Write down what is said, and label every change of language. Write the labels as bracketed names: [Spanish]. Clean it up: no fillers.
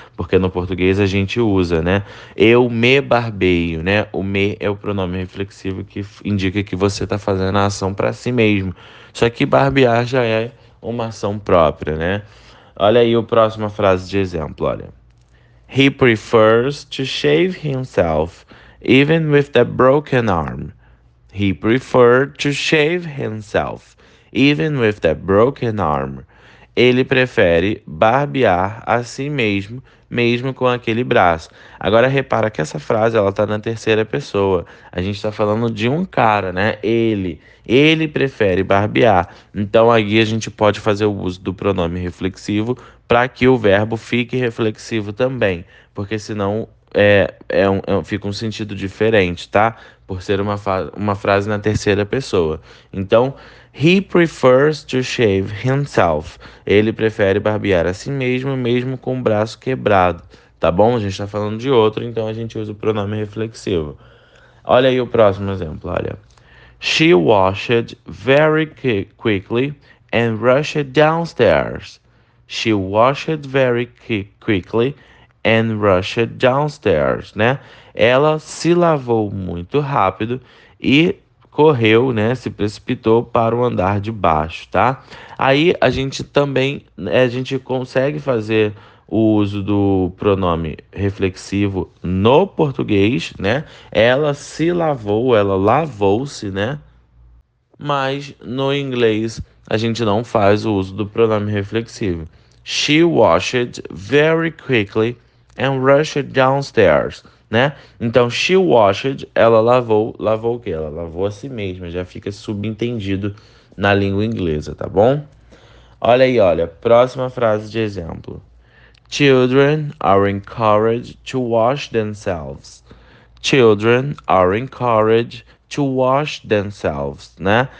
[Portuguese] Porque no português a gente usa, né? Eu me barbeio, né? O me é o pronome reflexivo que indica que você tá fazendo a ação para si mesmo. Só que barbear já é uma ação própria, né? Olha aí a próxima frase de exemplo, olha. [English] He prefers to shave himself, even with the broken arm. He preferred to shave himself, even with the broken arm. [Portuguese] Ele prefere barbear a si mesmo, mesmo com aquele braço. Agora repara que essa frase ela está na terceira pessoa. A gente está falando de um cara, né? Ele prefere barbear. Então aí a gente pode fazer o uso do pronome reflexivo para que o verbo fique reflexivo também, porque senão fica um sentido diferente, tá? Por ser uma frase na terceira pessoa. Então, [English] he prefers to shave himself. [Portuguese] Ele prefere barbear a si mesmo, mesmo com o braço quebrado. Tá bom? A gente tá falando de outro, então a gente usa o pronome reflexivo. Olha aí o próximo exemplo, olha. [English] She washed very quickly and rushed downstairs. She washed very quickly and rushed downstairs, [Portuguese] né? Ela se lavou muito rápido e correu, né? Se precipitou para o andar de baixo, tá? Aí a gente também, a gente consegue fazer o uso do pronome reflexivo no português, né? Ela se lavou, ela lavou-se, né? Mas no inglês a gente não faz o uso do pronome reflexivo. [English] She washed very quickly and rushed downstairs, [Portuguese] né? Então, [English] she washed, [Portuguese] ela lavou. Lavou o quê? Ela lavou a si mesma. Já fica subentendido na língua inglesa, tá bom? Olha aí, olha. Próxima frase de exemplo. [English] Children are encouraged to wash themselves. Children are encouraged to wash themselves, [Portuguese] né?